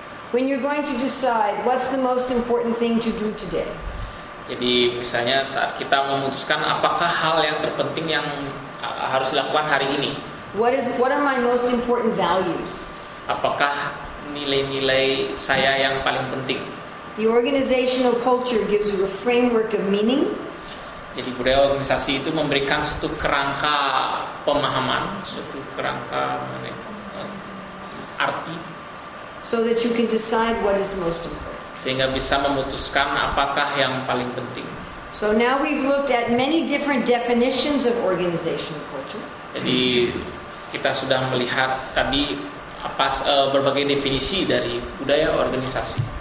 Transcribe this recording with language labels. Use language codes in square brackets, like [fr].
[en] When you're going to decide what's the most important thing to do today. [id] Jadi misalnya saat kita memutuskan apakah hal yang terpenting yang harus dilakukan hari ini. [en] What are my most important values? [id] Apakah nilai-nilai saya yang paling penting? [en] The organizational culture gives you a framework of meaning. [id] Jadi budaya organisasi itu memberikan suatu kerangka pemahaman, suatu kerangka arti. [en] So that you can decide what is most important. [id] Sehingga bisa memutuskan apakah yang paling penting. [en] So now we've looked at many different definitions of organizational culture. [id] Jadi kita sudah melihat tadi apa berbagai definisi dari budaya organisasi.